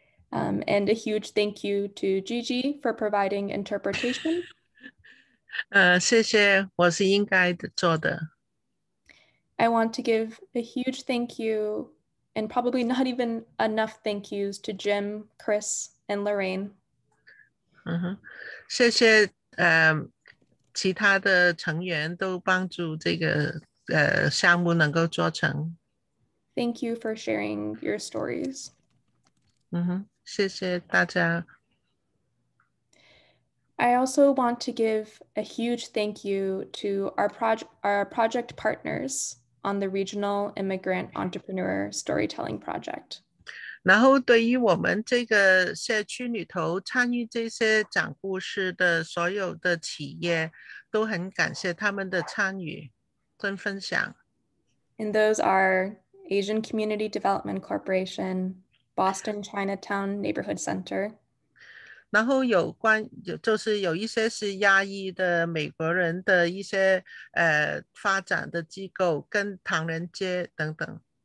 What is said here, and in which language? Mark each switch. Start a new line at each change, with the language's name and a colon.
English: And a huge thank you to Gigi for providing interpretation.
Chinese: 谢谢，我是应该做的。
English: I want to give a huge thank you and probably not even enough thank yous to Jim, Chris, and Lorraine. Uh-huh.
Chinese: 谢谢其他的成员都帮助这个项目能够做成。
English: Thank you for sharing your stories. Mm-hmm.
Chinese: 谢谢大家.
English: I also want to give a huge thank you to our project partners on the Regional Immigrant Entrepreneur Storytelling Project.
Chinese: 然后对于我们这个社区里头参与这些讲故事的所有的企业都很感谢他们的参与跟分享.
English: And those are Asian Community Development Corporation, Boston Chinatown Neighborhood Center.
Chinese: 然后有关就是有一些是亚裔的美国人的一些发展的机构跟唐人街等等.